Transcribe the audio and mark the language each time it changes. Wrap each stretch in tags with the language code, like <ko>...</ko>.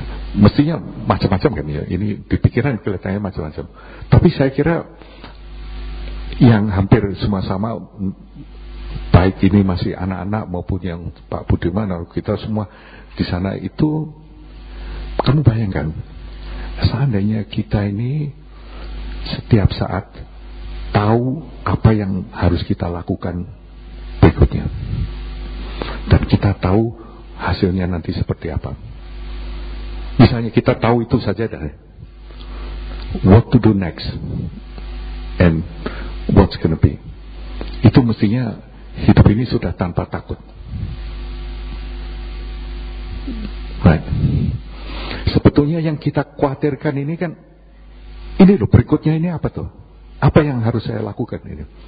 <id>Mestinya macam-macam kan ya, ini dipikiran kelihatannya macam-macam, tapi saya kira yang hampir semua sama, baik ini masih anak-anak maupun yang Pak Budiman, kita semua di sana itu, kamu bayangkan seandainya kita ini setiap saat tahu apa yang harus kita lakukan berikutnya dan kita tahu hasilnya nanti seperti apa. Misalnya kita tahu itu saja dah.</id> <en>What to do next and what's gonna be.</en> <id>Itu mestinya hidup ini sudah tanpa takut. Right. Sebetulnya yang kita khawatirkan ini kan, ini loh berikutnya ini apa tuh? Apa yang harus saya lakukan ini?</id>